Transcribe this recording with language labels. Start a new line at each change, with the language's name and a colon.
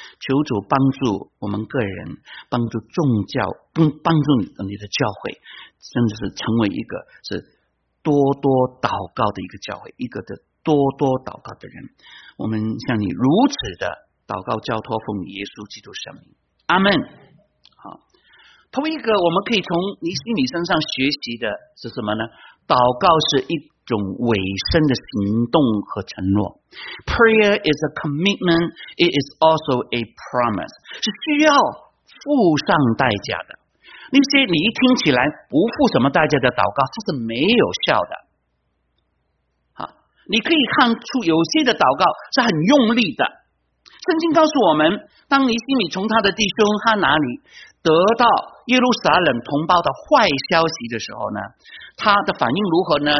Chinese: 求主帮助我们个人，帮助众教，帮助你的教会，真的是成为一个是多多祷告的一个教会，一个的多多祷告的人。我们向你如此的祷告交托，奉耶稣基督圣名，阿们。好，同一个我们可以从尼希米身上学习的是什么呢？祷告是一种委身的行动和承诺。
English: Prayer is a commitment, it is also a promise,
Chinese: 是需要付上代价的。那些你一听起来不付什么代价的祷告，这是没有效的。你可以看出有些的祷告是很用力的。圣经告诉我们，当尼希米从他的弟兄哈拿里得到耶路撒冷同胞的坏消息的时候呢，他的反应如何呢？